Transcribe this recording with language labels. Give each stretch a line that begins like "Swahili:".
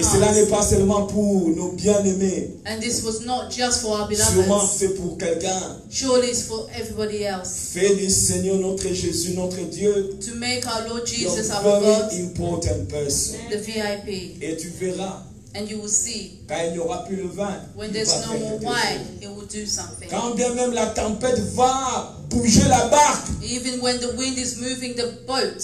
French: Et cela n'est pas seulement pour nos bien-aimés.
English: And this was not just for our beloved.
French: Sûrement c'est pour quelqu'un.
English: Surely it's for everybody else.
French: Fais du Seigneur notre Jésus notre Dieu.
English: To make our Lord Jesus your our very God. Important person. The VIP.
French: Et tu verras.
English: And you will see.
French: Quand il n'y aura plus le vin,
English: when there's no more wine, it will do something.
French: Quand bien même la tempête va bouger la barque.
English: Even when the wind is moving the boat.